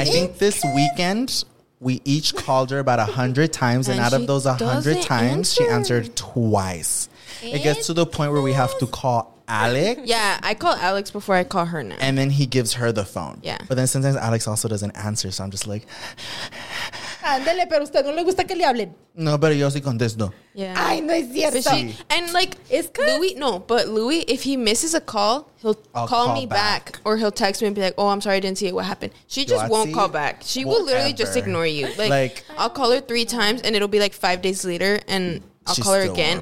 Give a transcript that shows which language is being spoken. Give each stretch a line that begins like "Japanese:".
English: I think this weekend we each called her about 100 times, and out of those 100 times, she answered twice. It gets to the point where we have to call Alex. Yeah, I call Alex before I call her now. And then he gives her the phone. Yeah. But then sometimes Alex also doesn't answer, so I'm just like,
Spanish: ándale, pero usted no le gusta que le hablen. No, pero yo sí contesto.
English: Yeah.
Spanish: Ay, no es cierto.
English: She, and like, it's Louis, no, but Louis, if he misses a call, he'll call me back. Or he'll text me and be like, oh, I'm sorry, I didn't see it. What happened? She just won't call back. She will literally just ignore you. Like, I'll call her 3 times and it'll be like 5 days later and I'll call her again.